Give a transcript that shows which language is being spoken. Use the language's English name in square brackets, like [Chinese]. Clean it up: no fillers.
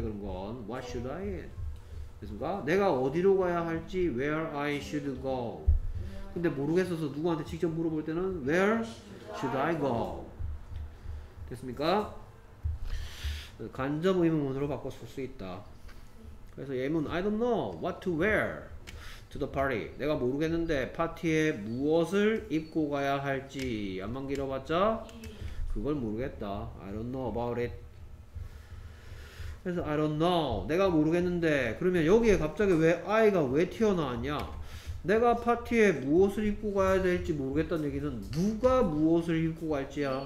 [Korean] 그런 건 [English] What should I eat? [Korean] 됐습니까? 내가 어디로 가야 할지 [English] where I should go. [Korean] 근데 모르겠어서 누구한테 직접 물어볼 때는 [English] where should I go. [Korean] 됐습니까? 간접 의문문으로 바꿔 쓸 수 있다. 그래서 예문 [English] I don't know what to wear to the party. [Korean] 내가 모르겠는데 파티에 무엇을 입고 가야 할지 안만 길어봤자 그걸 모르겠다. [English] I don't know about it. [Korean] 그래서 [English] I don't know. [Korean] 내가 모르겠는데 그러면 여기에 갑자기 왜 I가 왜 튀어나왔냐? 내가 파티에 무엇을 입고 가야 될지 모르겠다는 얘기는 누가 무엇을 입고 갈지야.